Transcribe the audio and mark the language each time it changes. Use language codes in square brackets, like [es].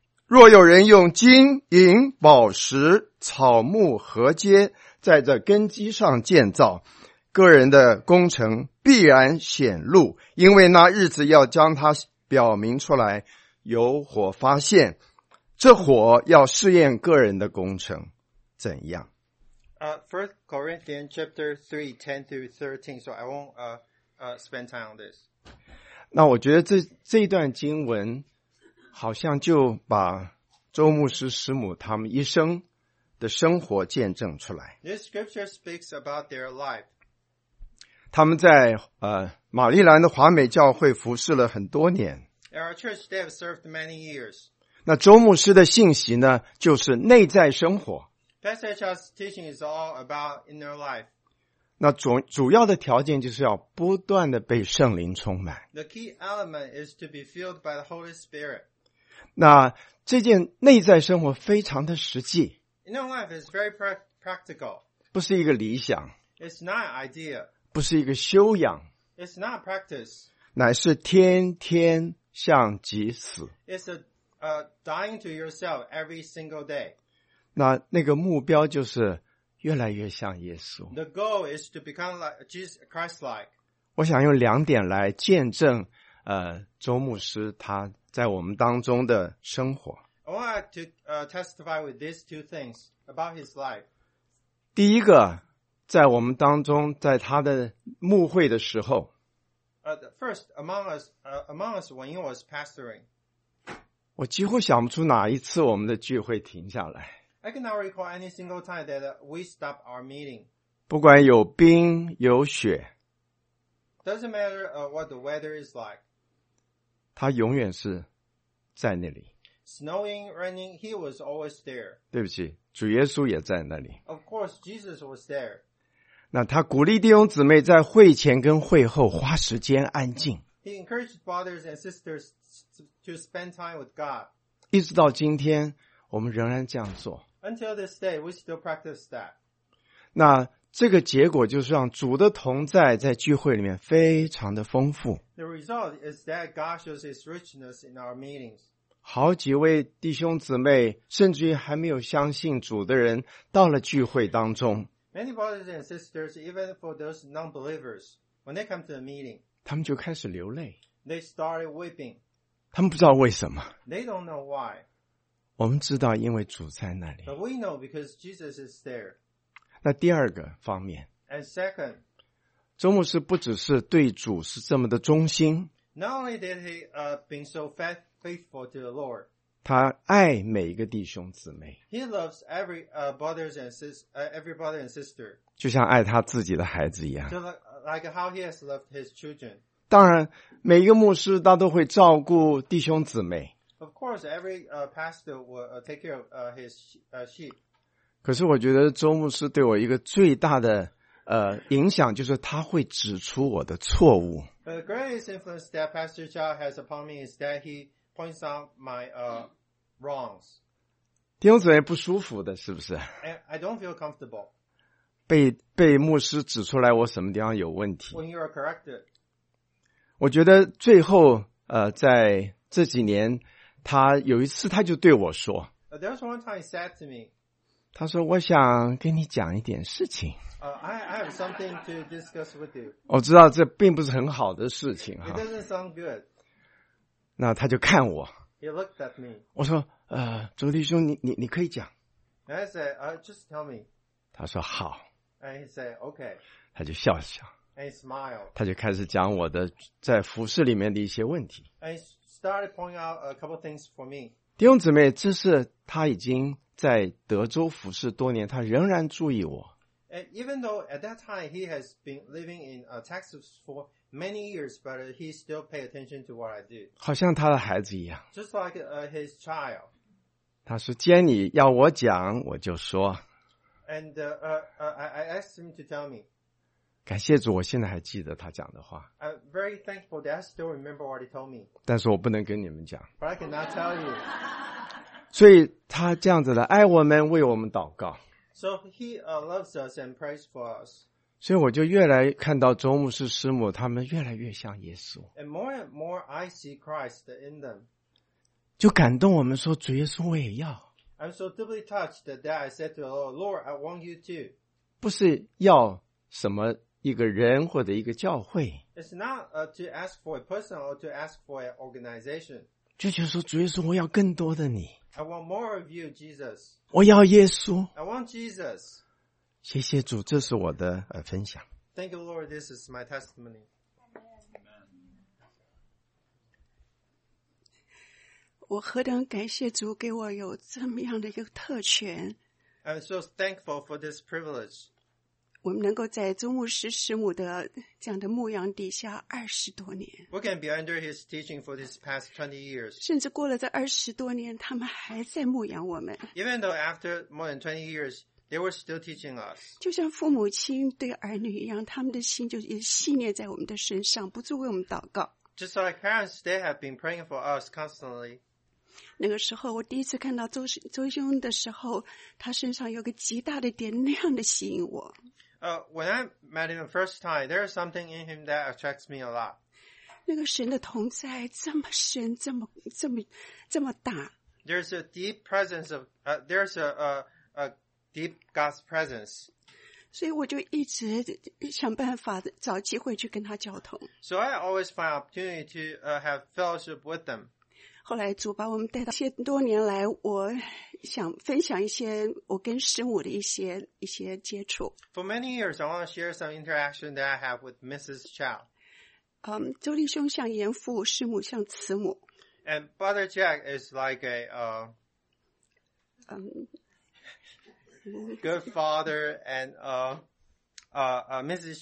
[zh] 若有人用金银宝石草木禾秸在这根基上建造，个人的工程必然显露，因为那日子要将它表明出来，有火发现，这火要试验个人的工程怎样。 [en] First Corinthians chapter 3:10-13, so I won't spend time on this. [zh] 那我觉得这一段经文好像就把周牧师师母他们一生的生活见证出来。 [en] This scripture speaks about their life. [zh] 他们在玛丽兰的华美教会服侍了很多年。 [en] Our church, they have served many years. [zh] 那周牧师的信息呢，就是内在生活。 [en] Pastor Charles' teaching is all about inner life. [zh] 那主要的条件就是要不断的被圣灵充满。 [en] The key element is to be filled by the Holy Spirit. [zh] 那这件内在生活非常的实际。 [en] Inner life is very practical. [zh] 不是一个理想。 [en] It's not an idea. [zh] 不是一个修养。 [en] It's not a practice. [zh] 乃是天天向己死。 [en] It's dying to yourself every single day. [zh] 那个目标就是越来越像耶稣。 [en] The goal is to become like Jesus Christ-like. [zh] 我想用两点来见证周牧师他在我们当中的生活。 [en] I want to testify with these two things about his life. [zh] 第一个，在我们当中，在他的牧会的时候。 [en] First, among us, when he was pastoring. [zh] 我几乎想不出哪一次我们的聚会停下来。 [en] I cannot recall any single time that we stopped our meeting. [zh] 不管有冰有雪。 [en] Doesn't matter what the weather is like. [zh] 他永远是在那里。 [en] Snowing, raining, he was always there. [zh] 对不起，主耶稣也在那里。 [en] Of course, Jesus was there. [zh] 那他鼓励弟兄姊妹在会前跟会后花时间安静。 [en] He encouraged brothers and sisters to spend time with God. [zh] 一直到今天，我们仍然这样做。 [en] Until this day, we still practice that. [zh] 那这个结果就是让主的同在在聚会里面非常的丰富。 [en] The result is that God shows his richness in our meetings. [zh] 好几位弟兄姊妹，甚至于还没有相信主的人，到了聚会当中。 [en] Many brothers and sisters, even for those non-believers, when they come to the meeting, [zh] 他们就开始流泪。 [en] They started weeping. [zh] 他们不知道为什么。 [en] They don't know why. [zh] 我们知道，因为主在那里。 [en] But we know because Jesus is there. [zh] 那第二个方面。 [en] And second, [zh] 周牧师不只是对主是这么的忠心。 [en] Not only did he been so faithful to the Lord. [zh] 他爱每一个弟兄姊妹。 [en] He loves every brothers and every brother and sister. [zh] 就像爱他自己的孩子一样。 [en] Like how he has loved his children. [zh] 当然，每一个牧师他都会照顾弟兄姊妹。 [en] Of course, every pastor will take care of his sheep. [zh] 可是我觉得周牧师对我一个最大的影响就是他会指出我的错误。 [en] The greatest influence that Pastor Chao has upon me is that he points out my wrongs. [zh] 弟兄姊妹不舒服的是不是？ [en] I don't feel comfortable. [zh] 被牧师指出来我什么地方有问题。 [en] When you are corrected. [zh] 我觉得最后在这几年他有一次他就对我说。 [en] There was one time he said to me. [zh] 他说我想跟你讲一点事情。 [en] I have something to discuss with you. [zh] 我知道这并不是很好的事情。 [en] It doesn't sound good. [zh] 那他就看我。 [en] He looked at me. [zh] 我说周弟兄你可以讲。 [en] And I said, just tell me. [zh] 他说好。 [en] And he said, okay. [zh] 他就笑笑。 [en] and smiled. [zh] 他就开始讲我的在服事里面的一些问题。 [en] And started pointing out a couple things for me. [zh] 弟兄姊妹，这是他已经在德州服事多年，他仍然注意我。 [en] And even though at that time he has been living in Texas for many years, but he still pay attention to what I do. [zh] 好像他的孩子一样。 [en] Just like his child. [zh] 他说，既然你要我讲，我就说。 [en] And I asked him to tell me. [zh] 感谢主，我现在还记得他讲的话。 [en] I'm very thankful that I still remember what he told me. [zh] 但是我不能跟你们讲。 [en] But I cannot tell you. [zh] 所以他这样子的爱我们，为我们祷告。 [en] So he loves us and prays for us. [zh] 所以我就越来看到周牧师师母他们越来越像耶稣。 [en] And more and more I see Christ in them. [zh] 就感动我们说，主耶稣我也要。 [en] I'm so deeply touched that I said to the Lord, Lord, I want you too. [zh] 不是要什么一个人或者一个教会。 [en] It's not to ask for a person or to ask for an organization. [zh] 就说主耶稣我要更多的你。 [en] I want more of you, Jesus. [zh] 我要耶稣。 [en] I want Jesus. [zh] 谢谢主，这是我的分享。 [en] Thank you, Lord. This is my testimony. [zh] 我何等感谢主给我有这么样的一个特权。 [en] I'm so thankful for this privilege. [zh] 我们能够在周牧师师母的这样的牧养底下二十多年。 [en] We can be under his teaching for these past 20 years. [zh] 甚至过了这二十多年，他们还在牧养我们。 [en] Even though after more than 20 years, they were still teaching us. [zh] 就像父母亲对儿女一样，他们的心就系捏在我们的身上，不住为我们祷告。 [en] Just like parents, they have been praying for us constantly. [zh] 那个时候，我第一次看到周兄的时候，他身上有个极大的点亮的吸引我。 [en] When I met him the first time, there is something in him that attracts me a lot. [zh] 那个神的同在这么深，这么大。 [en] There's a deep presence of, there's a deep God's presence. [zh] 所以我就一直想办法找机会去跟他交通。 [en] So I always find opportunity to have fellowship with them. [zh] 后来主把我们带到，些多年来我想分享一些我跟师母的一些接触。 [en] For many years, I want to share some interaction that I have with Mrs. Chow. [zh] 周弟兄像严父，师母像慈母。 [en] And Brother Jack is like a good father, and Mrs.